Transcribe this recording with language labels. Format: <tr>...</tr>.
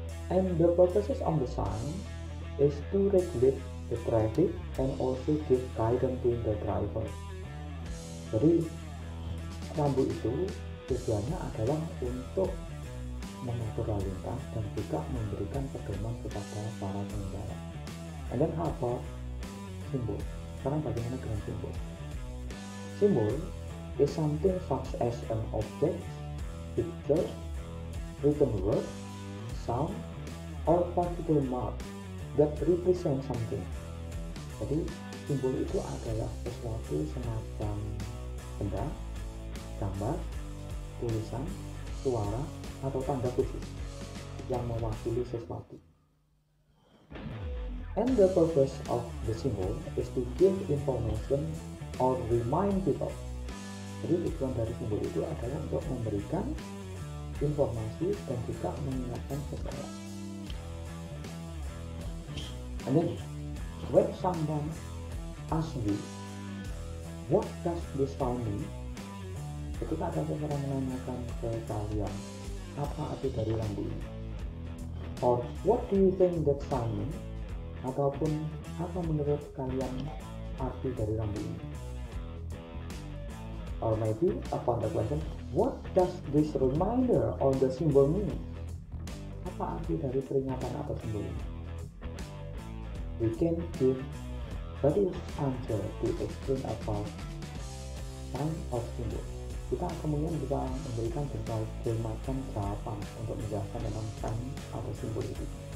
<en>And the purposes of the sign is to regulate the traffic and also give guidance to the driver.</en> <id>Jadi rambu itu tujuannya adalah untuk mengatur lalu lintas dan juga memberikan pedoman kepada para pengendara.</id> <en>And then</en> <id>apa? Simbol. Sekarang bagaimana dengan simbol?</id> <en>Simbol is something such as an object, picture, written word, sound, or particular mark that represents something.</en> <id>Jadi simbol itu adalah sesuatu semacam benda, gambar, tulisan, suara, atau tanda khusus yang mewakili sesuatu.</id> <en>And the purpose of the symbol is to give information or remind people.</en> <id>Jadi tujuan dari simbol itu adalah untuk memberikan informasi dan juga mengingatkan seseorang.</id> <en>And then, when someone asks you, what does this sound mean?</en> <id>Ketika ada seseorang menanyakan ke kalian, apa arti dari rambu ini?</id> <en>Or, what do you think that sound mean?</en> <id>Ataupun, apa menurut kalian arti dari rambu ini?</id> <en>Or maybe, upon the question, what does this reminder or the symbol mean?</en> <id>Apa arti dari peringatan atau symbol ini?</id> <en>We can give various answer to explain about sign or symbol.</en> <id>Kita kemudian bisa memberikan berbagai macam jawaban untuk menjelaskan tentang sign atau symbol itu.</id>